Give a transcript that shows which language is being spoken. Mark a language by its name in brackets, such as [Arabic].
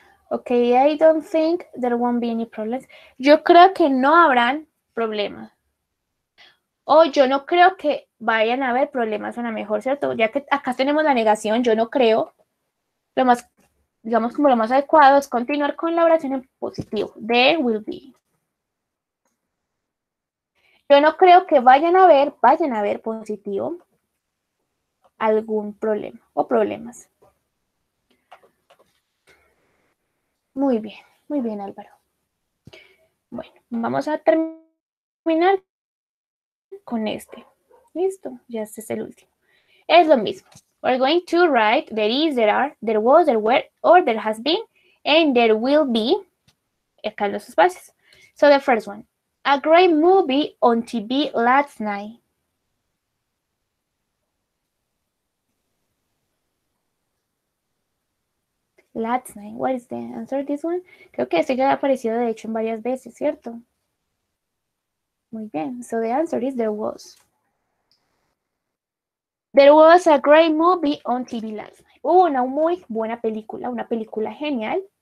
[English] Okay, I don't think there won't be any problems. [Spanish] Yo creo que no habrán problemas. O yo no creo que vayan a haber problemas, suena mejor, ¿cierto? Ya que acá tenemos la negación, yo no creo. Lo más, digamos, como lo más adecuado es continuar con la oración en positivo. There will be. Yo no creo que vayan a haber positivo algún problema o problemas. Muy bien, Álvaro. Bueno, vamos a terminar con este. Listo, ya este es el último. Es lo mismo. [English] We're going to write there is, there are, there was, there were, or there has been, and there will be. [Spanish] Acá en los espacios. [English] So the first one. A great movie on TV last night. Last night, what is the answer to this one? [Spanish] Creo que este ya ha aparecido de hecho en varias veces, ¿cierto? Muy bien, [English] so the answer is there was. There was a great movie on TV last night. [Spanish] Hubo una muy buena película, una película genial.